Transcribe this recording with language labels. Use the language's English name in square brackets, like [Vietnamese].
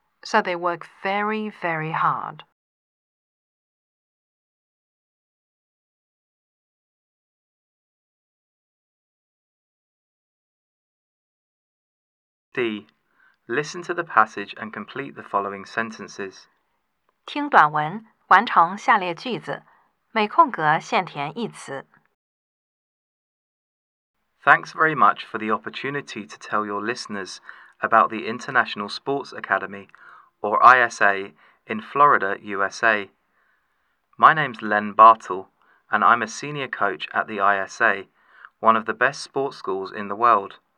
[English] So they work very, very hard. Listen to the passage and complete the following sentences. [Chinese] 听短文，完成下列句子，每空格限填一词。 [English] Thanks very much for the opportunity to tell your listeners about the International Sports Academy, or ISA, in Florida, USA. My name's Len Bartle, and I'm a senior coach at the ISA, one of the best sports schools in the world.